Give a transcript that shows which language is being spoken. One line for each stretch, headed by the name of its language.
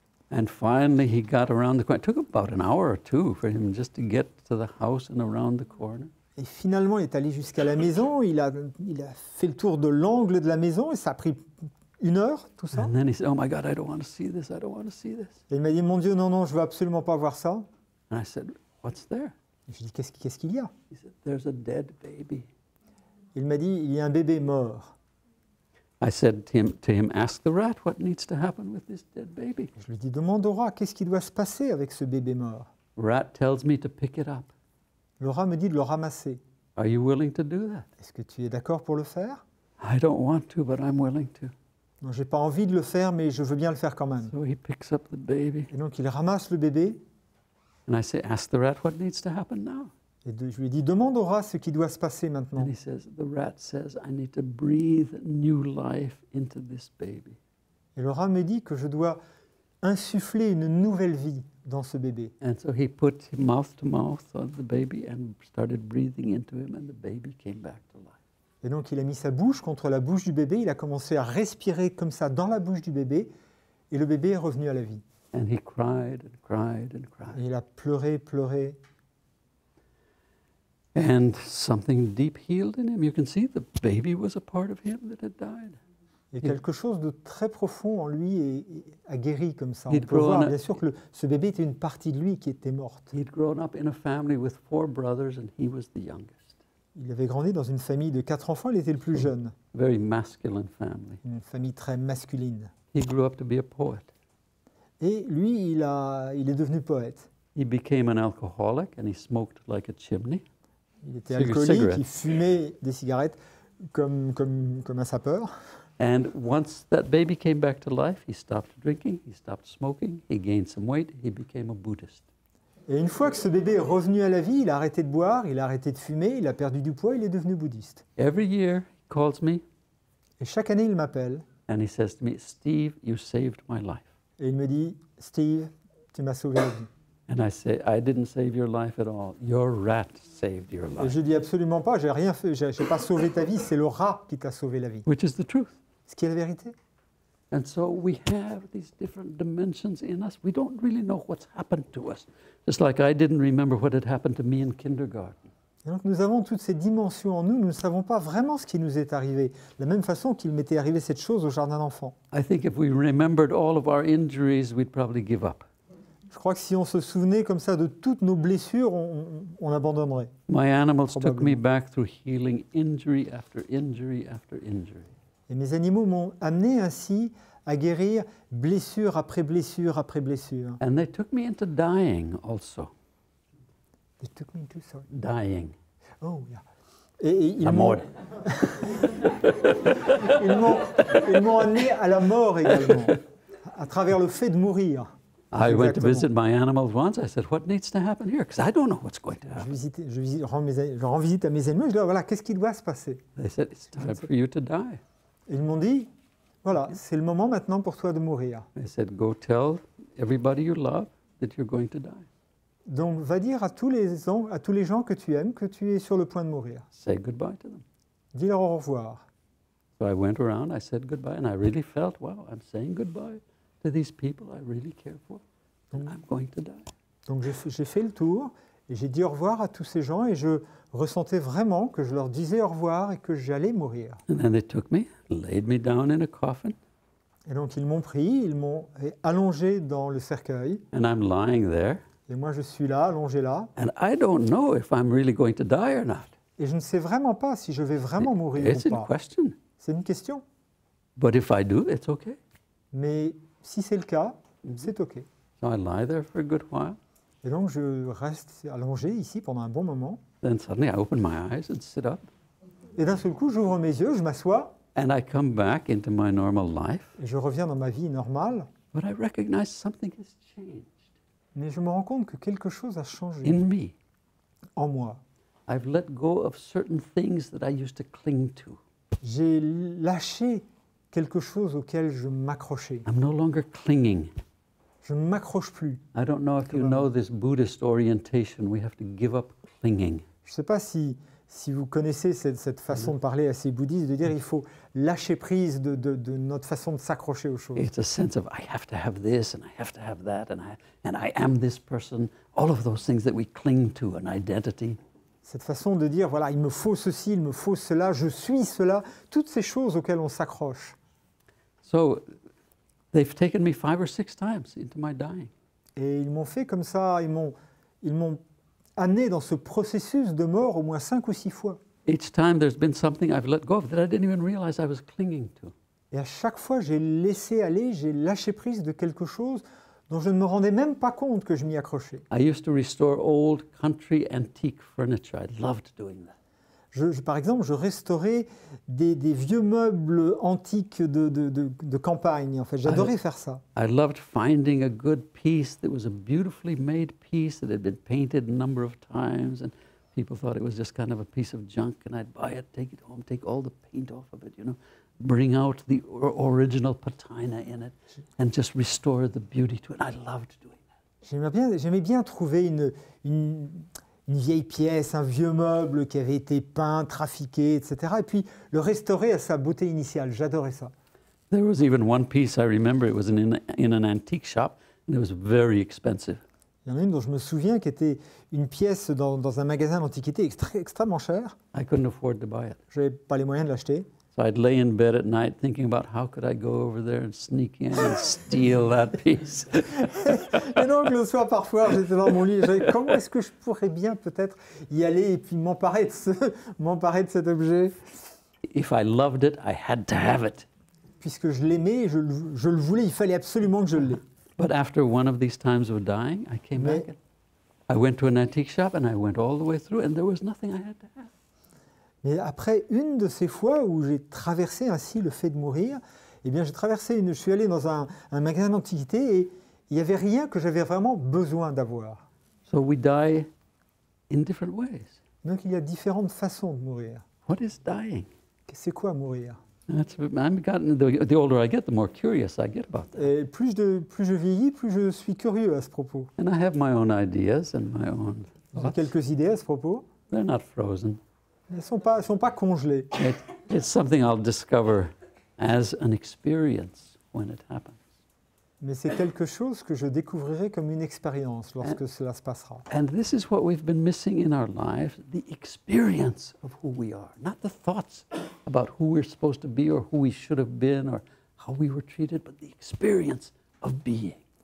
English: And finally, he got around the corner. It took about an hour or two for him just to get to the house and around the corner.
French: Et finalement, il est allé jusqu'à la maison. Il a fait le tour de l'angle de la maison, et ça a pris une heure, tout ça.
English: And then he said, "Oh my God, I don't want to see this. I don't want to see this."
French: Et il m'a dit, "Mon Dieu, non, je veux absolument pas voir ça."
English: And I said, "What's there?"
French: Et je lui dis, "Qu'est-ce qu'il y a?"
English: He said, "There's a dead baby."
French: Il m'a dit, "Il y a un bébé mort."
English: I said to him, ask the rat what needs to happen with this dead baby.
French: Je lui dis, demande au rat, qu'est-ce qui doit se passer avec ce bébé mort?
English: Rat tells me to pick it up.
French: Le rat me dit de le ramasser.
English: Are you willing to do that?
French: Est-ce que tu es d'accord pour le faire?
English: I don't want to, but I'm willing to.
French: Non, j'ai pas envie de le faire, mais je veux bien le faire quand même.
English: So he picks up the baby.
French: Et donc il ramasse le bébé.
English: And I say, ask the rat what needs to happen now.
French: Et je lui ai dit, demande au rat ce qui doit se passer maintenant.
English: And he says, the rat says, I need to breathe new life into this baby.
French: Et le rat me dit que je dois insuffler une nouvelle vie dans ce bébé.
English: And so he put mouth to mouth on the baby and started breathing into him, and the baby came back to life.
French: Et donc il a mis sa bouche contre la bouche du bébé, il a commencé à respirer comme ça dans la bouche du bébé, et le bébé est revenu à la vie.
English: And he cried and cried and cried.
French: Et il a pleuré.
English: And something deep healed in him. You can see the baby was a part of him that had died.
French: Et quelque chose de très profond en lui a guéri comme ça. On peut voir, bien sûr, que ce bébé était une partie de lui qui était morte.
English: He'd grown up in a family with four brothers, and he was the youngest.
French: Il avait grandi dans une famille de quatre enfants. Il était le plus jeune.
English: Very masculine family.
French: Une famille très masculine.
English: He grew up to be a poet.
French: Et lui, il est devenu poète.
English: He became an alcoholic, and he smoked like a chimney.
French: Il était alcoolique, il fumait des cigarettes comme un sapeur.
English: And once that baby came back to life, he stopped drinking, he stopped smoking, he gained some weight, he became a Buddhist.
French: Et une fois que ce bébé est revenu à la vie, il a arrêté de boire, il a arrêté de fumer, il a perdu du poids, il est devenu bouddhiste.
English: Every year he calls me.
French: Et chaque année il m'appelle.
English: And he says to me, "Steve, you saved my life."
French: Et il me dit, "Steve, tu m'as sauvé la vie."
English: And I say, I didn't save your life at all. Your rat saved your life.
French: Et je dis absolument pas, j'ai rien fait, j'ai pas sauvé ta vie, c'est le rat qui t'a sauvé la vie.
English: Which is the truth.
French: Ce qui est la vérité.
English: And so we have these different dimensions in us. We don't really know what's happened to us. Just like I didn't remember what had happened to me in kindergarten.
French: Et donc nous avons toutes ces dimensions en nous, nous ne savons pas vraiment ce qui nous est arrivé. De la même façon qu'il m'était arrivé cette chose au jardin d'enfants.
English: I think if we remembered all of our injuries, we'd probably give up.
French: Je crois que si on se souvenait comme ça de toutes nos blessures, on abandonnerait.
English: My animals took me back through healing injury after injury after injury.
French: Et mes animaux m'ont amené ainsi à guérir blessure après blessure après blessure.
English: And they took me into dying also. They took me into, sorry. Dying. Oh, yeah.
French: Et la mort. ils m'ont amené à la mort également, à travers le fait de mourir. Exactement.
English: I went to visit my animals once. I said, "What needs to happen here? Because I don't know what's going to happen."
French: Je rends visite à mes animaux. Je dis, voilà, qu'est-ce qui doit se passer?
English: They said, "It's time for you to die."
French: Ils m'ont dit, Voilà, c'est le moment maintenant pour toi de mourir.
English: I said, go tell everybody you love that you're going to die.
French: Donc, va dire à tous les gens que tu aimes que tu es sur le point de mourir.
English: Say goodbye to them.
French: Dis-leur au revoir.
English: So I went around, I said goodbye, and I really felt, wow, I'm saying goodbye to these people I really care for, and I'm going to die.
French: Donc, j'ai fait le tour, et j'ai dit au revoir à tous ces gens, et je ressentais vraiment que je leur disais au revoir et que j'allais mourir.
English: And then they took me, laid me down in a coffin.
French: Et donc, ils m'ont pris, ils m'ont allongé dans le cercueil.
English: And I'm lying there.
French: Et moi, je suis là, allongé là.
English: And I don't know if I'm really going to die or not.
French: Et je ne sais vraiment pas si je vais vraiment mourir
English: it's
French: ou pas.
English: A question.
French: C'est une question.
English: But if I do, it's okay.
French: Mais si c'est le cas, c'est okay.
English: So I lie there for a good while.
French: Et donc, je reste allongé ici pendant un bon moment.
English: Then suddenly I open my eyes and sit up.
French: Et d'un seul coup, j'ouvre mes yeux, je m'assois.
English: And I come back into my normal life.
French: Et je reviens dans ma vie normale.
English: But I recognize something has changed.
French: Mais je me rends compte que quelque chose a changé
English: in me,
French: en moi.
English: I've let go of certain things that I used to cling to.
French: J'ai lâché quelque chose auquel je m'accrochais.
English: I'm no longer clinging.
French: Je ne m'accroche plus.
English: I don't know if you know this Buddhist orientation. We have to give up clinging.
French: Je ne sais pas si vous connaissez cette façon de parler assez bouddhiste, de dire il faut lâcher prise de notre façon de s'accrocher aux choses.
English: It's a sense of I have to have this and I have to have that and I am this person. All of those things that we cling to, an identity.
French: Cette façon de dire voilà, il me faut ceci, il me faut cela, je suis cela, toutes ces choses auxquelles on s'accroche.
English: So they've taken me 5 or 6 times into my dying.
French: Et ils m'ont fait comme ça, ils m'ont amené dans ce processus de mort au moins 5 ou 6 fois.
English: Each time there's been something I've let go of that I didn't even realize I was clinging to.
French: Et à chaque fois, j'ai laissé aller, j'ai lâché prise de quelque chose dont je ne me rendais même pas compte que je m'y accrochais.
English: I used to restore old country antique furniture. I loved doing that.
French: Par exemple, je restaurais des vieux meubles antiques de campagne. En fait, j'adorais faire ça.
English: I loved finding a good piece that was a beautifully made piece that had been painted a number of times, and people thought it was just kind of a piece of junk. And I'd buy it, take it home, take all the paint off of it, you know, bring out the original patina in it, and just restore the beauty to it. I loved doing that.
French: J'aimais bien trouver une vieille pièce, un vieux meuble qui avait été peint, trafiqué, etc. Et puis le restaurer à sa beauté initiale. J'adorais ça.
English: There was even one piece I remember. It was in an antique shop, and it was very expensive.
French: Il y en a une dont je me souviens qui était une pièce dans un magasin d'antiquité extrêmement chère.
English: I couldn't afford to buy it.
French: Je n'avais pas les moyens de l'acheter.
English: So I'd lay in bed at night thinking about how could I go over there and sneak in and steal that piece.
French: Et donc le soir parfois j'étais dans mon lit, j'ai comment est-ce que je pourrais bien peut-être y aller et puis m'emparer de cet objet.
English: If I loved it, I had to have it.
French: Puisque je l'aimais, je le voulais, il fallait absolument que je l'aie.
English: But after one of these times of dying, I came back. I went to an antique shop and I went all the way through and there was nothing I had to have.
French: Mais après une de ces fois où j'ai traversé ainsi le fait de mourir, eh bien je suis allé dans un magasin d'antiquité et il n'y avait rien que j'avais vraiment besoin d'avoir.
English: So we die in different ways.
French: Donc il y a différentes façons de mourir.
English: What is dying?
French: C'est quoi mourir?
English: The older I get, the more curious I get about that.
French: Et plus je vieillis, plus je suis curieux à ce propos.
English: And I have my own ideas and my own thoughts.
French: J'ai quelques idées à ce propos.
English: They're not frozen.
French: Elles ne sont pas congelées.
English: It's something I'll discover as an experience when it happens.
French: Mais c'est quelque chose que je découvrirai comme une expérience lorsque cela se passera.
English: And this is what we've been missing in our lives, the experience of who we are, not the thoughts about who we're supposed to be or who we should have been or how we were treated, but the experience of being.